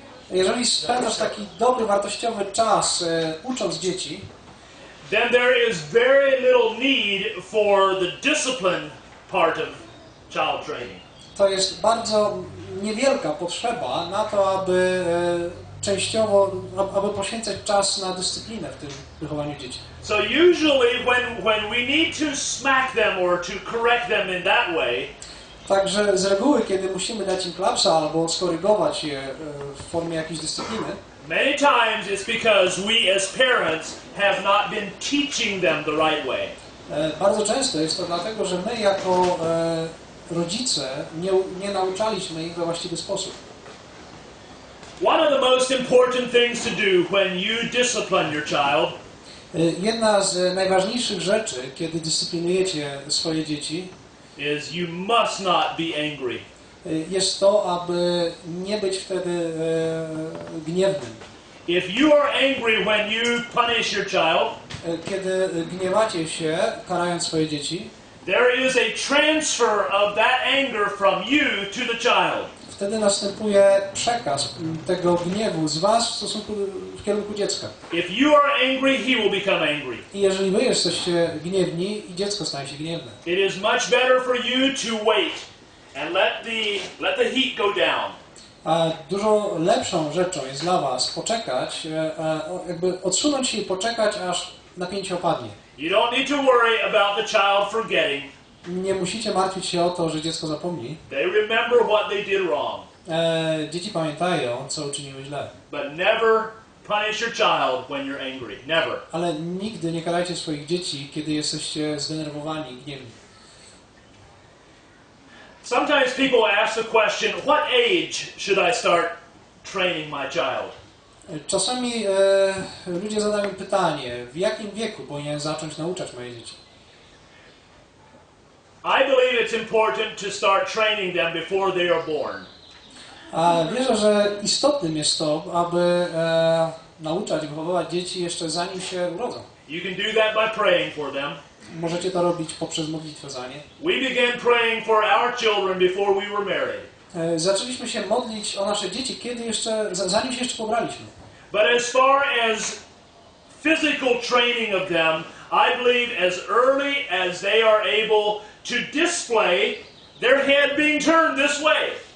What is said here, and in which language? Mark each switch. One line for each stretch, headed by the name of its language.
Polish: Jeżeli spędzasz taki dobry wartościowy czas ucząc dzieci,
English: then there is very little need for the discipline part of child training.
Polish: To jest bardzo niewielka potrzeba na to, aby częściowo, aby poświęcać czas na dyscyplinę w tym wychowaniu dzieci.
English: So usually when we need to smack them or to correct them in that way.
Polish: Także z reguły, kiedy musimy dać im klapsa albo skorygować je w formie jakiejś dyscypliny.
English: Many times it's because we as parents have not been teaching them the right way.
Polish: Bardzo często jest to dlatego, że my jako rodzice nie nauczaliśmy ich we właściwy sposób.
English: One of the most important things to do when you discipline your child.
Polish: Jedna z najważniejszych rzeczy, kiedy dyscyplinujecie swoje dzieci,
English: is you must not be angry.
Polish: Jest to, aby nie być wtedy gniewnym.
English: If you are angry when you punish your child,
Polish: kiedy gniewacie się, karając swoje dzieci,
English: there is a transfer of that anger from you to the child.
Polish: Wtedy następuje przekaz tego gniewu z was w stosunku w kierunku dziecka.
English: If you are angry, he will become angry.
Polish: I jeżeli wy jesteście gniewni, i dziecko staje się gniewne.
English: It is much better for you to wait and let the heat go down.
Polish: A dużo lepszą rzeczą jest dla was poczekać, jakby odsunąć się i poczekać, aż napięcie opadnie.
English: You don't need to worry about the child forgetting.
Polish: Nie musicie martwić się o to, że dziecko zapomni.
English: They remember what they did wrong.
Polish: Dzieci pamiętają, co uczyniły źle.
English: But never punish your child when you're angry. Never.
Polish: Ale nigdy nie karajcie swoich dzieci, kiedy jesteście zdenerwowani, gniewni.
English: Sometimes people ask the question, what age should I start training my child?
Polish: Czasami ludzie zadają pytanie, w jakim wieku powinien zacząć nauczać moje dzieci?
English: I believe it's important to start training them before they are born.
Polish: A wierzę, że istotnym jest to, aby nauczać, wychowywać dzieci jeszcze zanim się urodzą.
English: You can do that by praying for them.
Polish: Możecie to robić poprzez modlitwę za nie.
English: We began praying for our children before we were married.
Polish: Zaczęliśmy się modlić o nasze dzieci, kiedy jeszcze, zanim się jeszcze pobraliśmy.
English: But as far as physical training of them, I believe as early as they are able to display their head being turned this way.